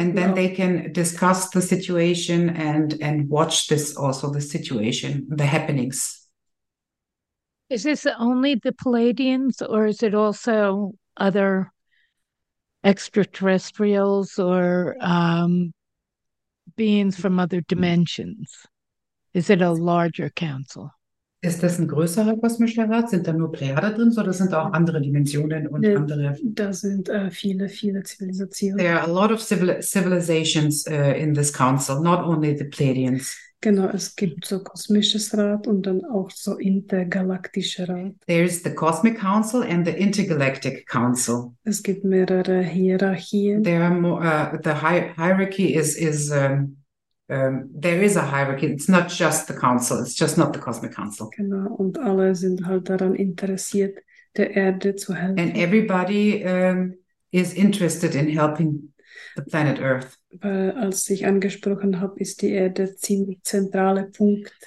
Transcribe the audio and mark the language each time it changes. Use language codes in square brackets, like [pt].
[en] And then they can discuss the situation and watch this also, the situation, the happenings. Is this only the Pleiadians or is it also other extraterrestrials or beings from other dimensions? Is it a larger council? [de] Ist das ein größerer kosmischer Rat? Sind da nur Pleiader drin oder sind da auch andere Dimensionen und ja, andere? Da sind viele, viele Zivilisationen. [en] There are a lot of civilizations in this council, not only the Pleiadians. [de] Genau, es gibt so kosmisches Rat und dann auch so intergalaktische Rat. [en] There is the Cosmic Council and the Intergalactic Council. [de] Es gibt mehrere Hierarchien. [en] There are more, the hierarchy there is a hierarchy. It's not just the council. It's just not the Cosmic Council. [de] Genau, und alle sind halt daran interessiert, der Erde zu helfen. [en] And everybody is interested in helping the planet Earth. [de] Weil, als ich angesprochen habe, ist die Erde ziemlich zentraler Punkt.